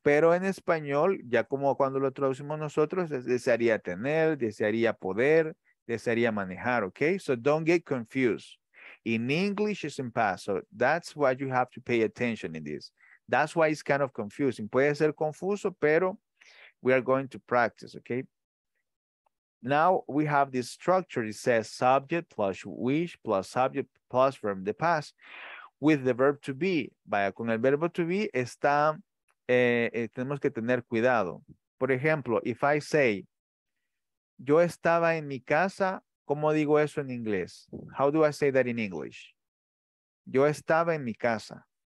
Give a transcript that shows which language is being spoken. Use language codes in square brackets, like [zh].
[es] Pero en español, ya como cuando lo traducimos nosotros, desearía tener, desearía poder, desearía manejar, ¿ok? [en] So don't get confused. In English, it's in past. So that's why you have to pay attention in this. That's why it's kind of confusing. [es] Puede ser confuso, pero [en] we are going to practice, ¿ok? Now we have this structure. It says subject plus wish plus subject plus verb in the past with the verb to be. [es] Vaya, con el verbo to be está, tenemos que tener cuidado. Por ejemplo, [en] if I say, [es] yo estaba en mi casa, ¿cómo digo eso en inglés? [en] How do I say that in English? [es] Yo estaba en mi casa.